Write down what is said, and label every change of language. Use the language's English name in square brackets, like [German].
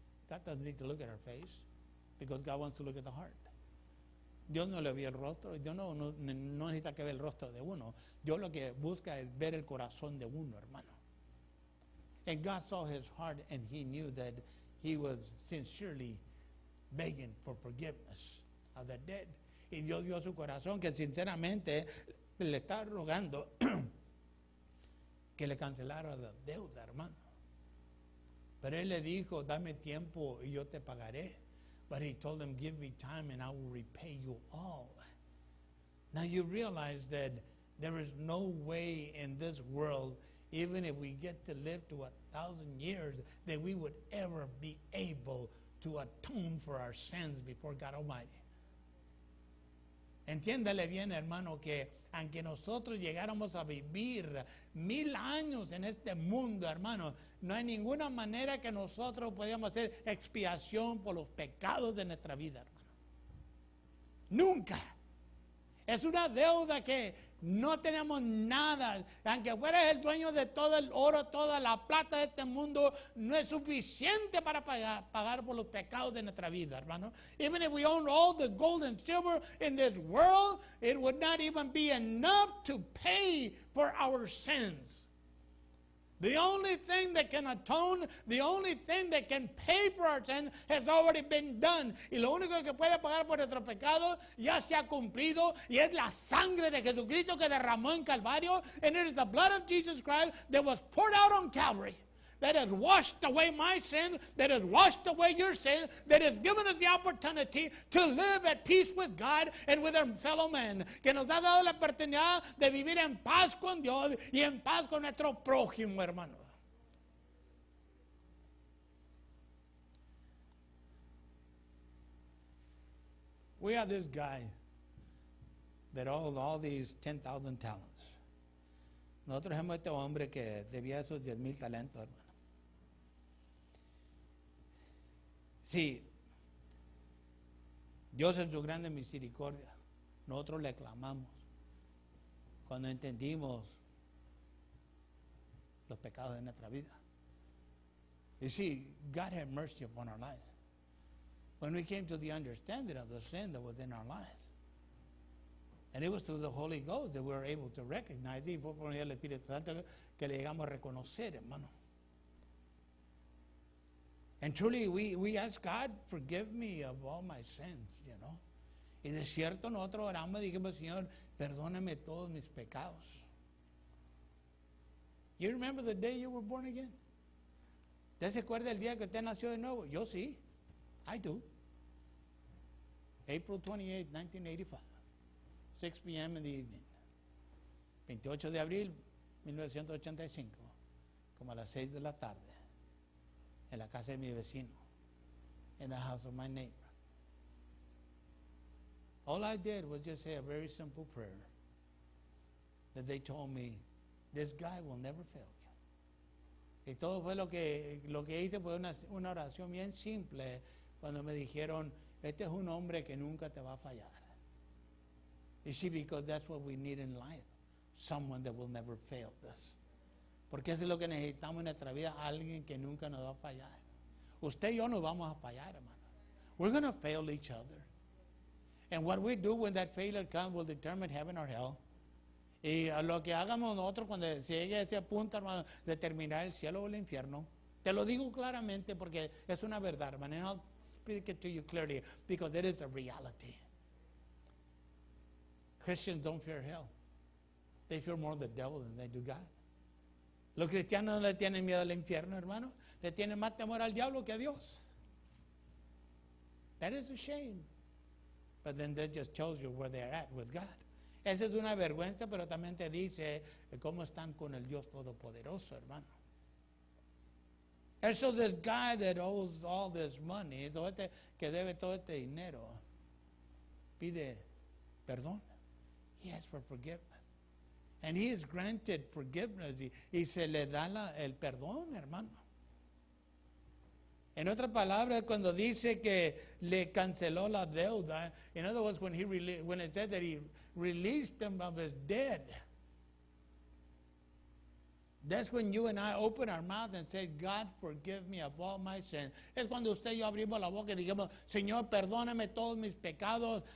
[English] God doesn't need to look at our face, because God wants to look at the heart. [Spanish] Dios no le vio el rostro. Dios no necesita que vea el rostro de uno. Dios lo que busca es ver el corazón de uno, hermano. [English] And God saw his heart and he knew that he was sincerely begging for forgiveness of the dead. [Spanish] Y Dios vio su corazón que sinceramente le está rogando que le cancelara la deuda, hermano. Pero él le dijo, dame tiempo y yo te pagaré. [English] But he told them, give me time and I will repay you all. Now you realize that there is no way in this world, even if we get to live to 1,000 years, that we would ever be able to atone for our sins before God Almighty. [Spanish] Entiéndale bien, hermano, que aunque nosotros llegáramos a vivir 1,000 años en este mundo, hermano, no hay ninguna manera que nosotros podamos hacer expiación por los pecados de nuestra vida, hermano. Nunca. Es una deuda que no tenemos nada. Aunque fueras el dueño de todo el oro, toda la plata de este mundo, no es suficiente para pagar por los pecados de nuestra vida, hermano. [English] Even if we own all the gold and silver in this world, it would not even be enough to pay for our sins. The only thing that can atone, the only thing that can pay for our sins has already been done. [Spanish] Y lo único que puede pagar por nuestro pecado ya se ha cumplido, y es la sangre de Jesucristo que derramó en Calvario. [English] And it is the blood of Jesus Christ that was poured out on Calvary that has washed away my sins, that has washed away your sins, that has given us the opportunity to live at peace with God and with our fellow men. [Spanish] Que nos ha dado la oportunidad de vivir en paz con Dios y en paz con nuestro prójimo, hermano. [English] We are this guy that owed all these 10,000 talents. [Spanish] Nosotros somos este hombre que debía esos 10,000 talentos, hermano. Sí, Dios en su grande misericordia, nosotros le clamamos cuando entendimos los pecados de nuestra vida. [English] You see, God had mercy upon our lives. When we came to the understanding of the sin that was in our lives, and it was through the Holy Ghost that we were able to recognize, [Spanish] y fue por el Espíritu Santo que le llegamos a reconocer, hermano. [English] And truly, we ask God, forgive me of all my sins, you know. [Spanish] Y de cierto, nosotros oramos y dijimos, Señor, perdóname todos mis pecados. [English] You remember the day you were born again? [Spanish] ¿Usted se acuerda el día que usted nació de nuevo? Yo sí. [English] I do. April 28, 1985. 6 p.m. in the evening. [Spanish] 28 de abril, 1985. Como a las 6 de la tarde. En la casa de mi vecino. [English] In the house of my neighbor. All I did was just say a very simple prayer. That they told me, this guy will never fail you. [Spanish] Y todo fue lo que hice fue una oración bien simple. Cuando me dijeron, este es un hombre que nunca te va a fallar. [English] You see, because that's what we need in life. Someone that will never fail us. [Spanish] Porque eso es lo que necesitamos en nuestra vida, alguien que nunca nos va a fallar. Usted y yo no vamos a fallar, hermano. [English] We're going to fail each other. And what we do when that failure comes will determine heaven or hell. [Spanish] Y lo que hagamos nosotros cuando llegue a ese punto, hermano, determinará el cielo o el infierno. Te lo digo claramente porque es una verdad, hermano. [English] And I'll speak it to you clearly because it is a reality. Christians don't fear hell. They fear more the devil than they do God. [Spanish] Los cristianos no le tienen miedo al infierno, hermano. Le tienen más temor al diablo que a Dios. [English] That is a shame. But then that just tells you where they are at with God. [Spanish] Esa es una vergüenza, pero también te dice cómo están con el Dios Todopoderoso, hermano. [English] And so this guy that owes all this money, [Spanish] que debe todo este dinero, pide perdón. [English] He asks for forgiveness. And he is granted forgiveness. [Spanish] Y se le da el perdón, hermano. En otra palabra, cuando dice que le canceló la deuda. [English] In other words, when it said that he released him of his debt. That's when you and I open our mouth and say, God, forgive me of all my sins. [Spanish] Es cuando usted y yo abrimos la boca y dijimos, Señor, perdóname todos mis pecados.